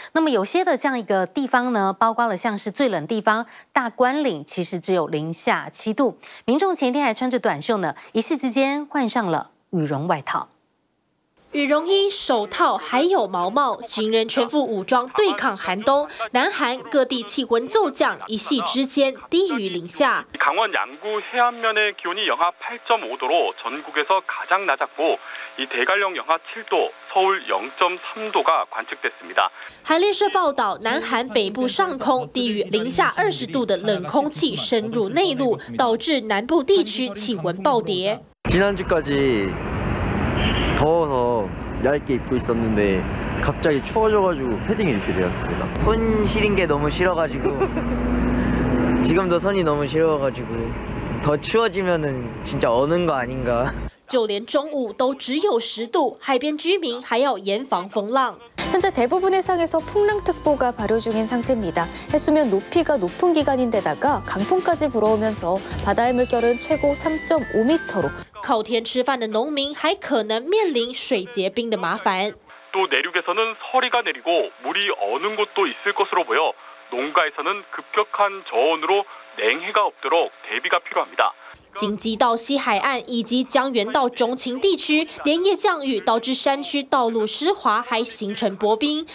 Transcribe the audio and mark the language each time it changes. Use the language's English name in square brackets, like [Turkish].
[Chinese] 那么有些的这样一个地方呢，包括了像是最冷地方大关岭，其实只有零下7度。民众前天还穿着短袖呢，一夕之间换上了羽绒外套。羽绒衣、手套还有毛帽，行人全副武装对抗寒冬。南韩各地气温骤降，一夕之间低于零下。 [Korean] 강원양구해안면의기온이영하 8.5 도로전국에서가장낮았고이대관령영하 7 도서울 0.3 도가관측됐습니다 [Chinese] 韩联社报道，南韩北部上空低于零下20度的冷空气深入内陆，导致南部地区气温暴跌。 [Korean] 지난주까지더워서얇게입고있었는데갑자기추워져가지고패딩이이렇게되었습니다 손시린게너무싫어가지고 지금도손이너무시려워가지고더추워지면은진짜어는거아닌가 [Chinese] 就连中午都只有十度，海边居民还要严防风浪。 [Korean] 현재대부분해상에서풍랑특보가발효중인상태입니다해수면높이가높은기간인데다가강풍까지불어오면서바다의물결은최고 3.5 미터로 [Chinese] 靠天吃饭的农民还可能面临水结冰的麻烦。 [Korean] 또내륙에서는서리가내리고물이어는곳도있을것으로보여농가에서는급격한저온으로냉해가없도록대비가필요합니다 [Chinese] 京畿道西海岸以及江原道中晴地区，连夜降雨导致山区道路湿滑，还形成薄冰。